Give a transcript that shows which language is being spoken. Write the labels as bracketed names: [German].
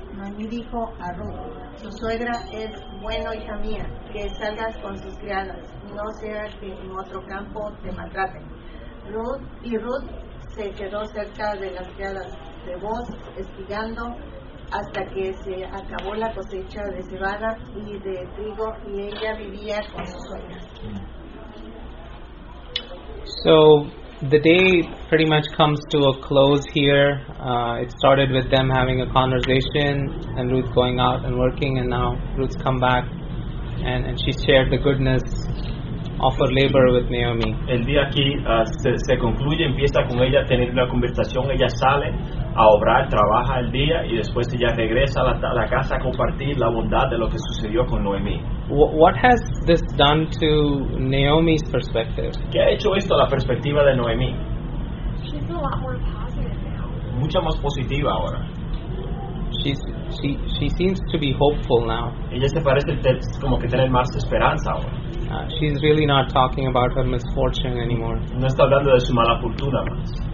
[Spanish] Noemí dijo a Ruth, su suegra es bueno, hija mía, que salgas con sus criadas, no sea que en otro campo te maltraten. Ruth se quedó cerca de las criadas de Boaz, espigando hasta que se acabó la cosecha de cebada y de trigo, y ella vivía con su suegra. [English] So the day pretty much comes to a close here. It started with them having a conversation and Ruth going out and working, and now Ruth's come back and she shared the goodness of her labor with Naomi. [Spanish] El día aquí se concluye, empieza con ella tener una conversación, ella sale a obrar, trabaja el día, y después ella regresa a la casa a compartir la bondad de lo que sucedió con Noemí. [English] What has this done to Naomi's perspective? [Spanish] ¿Qué ha hecho esto a la perspectiva de Noemí? [English] She's a lot more positive now. [Spanish] Mucha más positiva ahora. [English] She seems to be hopeful now. [Spanish] Ella se parece como que tener más esperanza ahora. [English] She's really not talking about her misfortune anymore. [Spanish] No está hablando de su mala fortuna más.